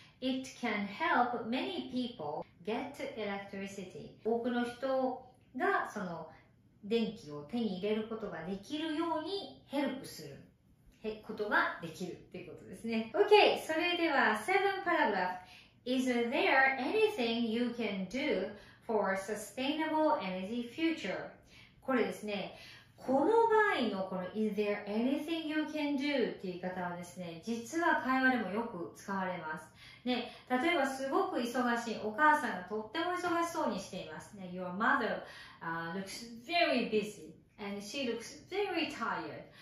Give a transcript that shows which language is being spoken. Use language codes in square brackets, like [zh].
[en] It can help many people get electricity. [ja] 多くの人がその電気を手に入れることができるようにヘルプすることができるっていうことですね。 OK、 それでは7 paragraph。 [en] Is there anything you can do for a sustainable energy future? [ja] これですね、この場合のこの [en] Is there anything you can do? [ja] っていう言い方はですね、実は会話でもよく使われます、ね、例えばすごく忙しい、お母さんがとっても忙しそうにしています、ね、 [en] Your mother、looks very busy and she looks very tired。